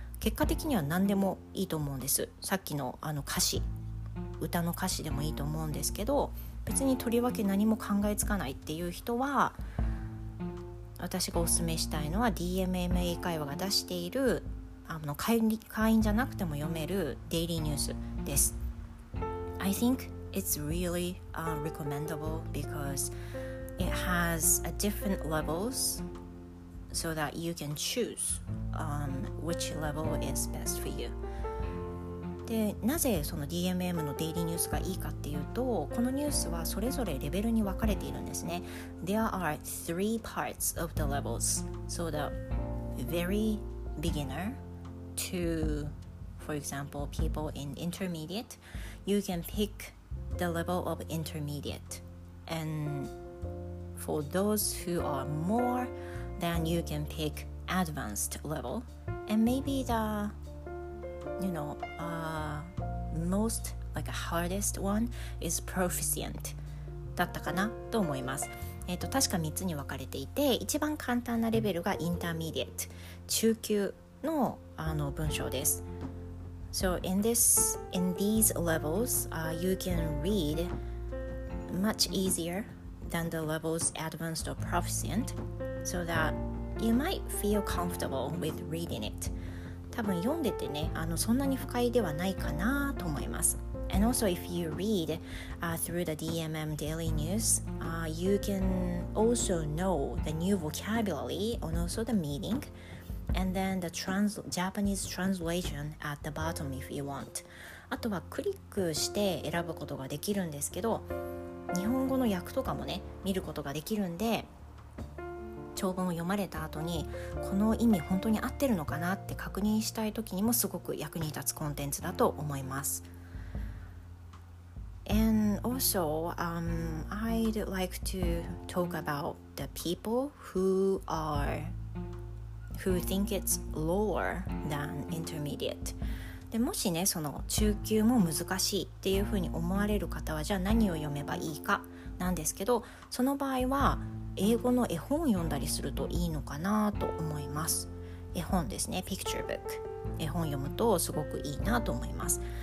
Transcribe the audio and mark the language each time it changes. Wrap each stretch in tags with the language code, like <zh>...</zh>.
<ja>結果的には何でもいいと思うんです。さっき の歌詞、歌の歌詞でもいいと思うんですけど、別にとりわけ何も考えつかないっていう人は、私がおすすめしたいのは DMMA 会話が出している会員じゃなくても読めるデイリーニュースです。</ja> <en>I thinkIt's really recommendable because it has a different levels so that you can choose which level is best for you.</en> <ja>で、なぜその DMM のデイリーニュースがいいかっていうと、このニュースはそれぞれレベルに分かれているんですね。</ja> <en>There are three parts of the levels. So the very beginner to, for example, people in intermediate, you can pickthe level of intermediate and for those who are more then you can pick advanced level and maybe the you know most like hardest one is proficient</en> <ja>だったかなと思います。確か3つに分かれていて、一番簡単なレベルが intermediate 中級の文章です。</ja> <en>So in these levels, you can read much easier than the levels advanced or proficient, so that you might feel comfortable with reading it.</en> <ja>多分読んでてね、そんなに不快ではないかなと思います。</ja> <en>And also if you read through the DMM Daily News, you can also know the new vocabulary and also the meaning. And then the Japanese translation at the bottom if you want.</en> <ja>あとはクリックして選ぶことができるんですけど、日本語の訳とかもね、見ることができるんで、長文を読まれた後に、この意味本当に合ってるのかなって確認したい時にもすごく役に立つコンテンツだと思います。</ja> <en>And also, I'd like to talk about the people who areWho think it's lower than intermediate.</en> <ja>でもしね、その中級も難しいっていうふうに思われる方は、じゃあ何を読めばいいかなんですけど、その場合は英語の絵本を読んだりするといいのかなと思います。絵本ですね、 picture book、 絵本読むとすごくいいなと思います。</ja>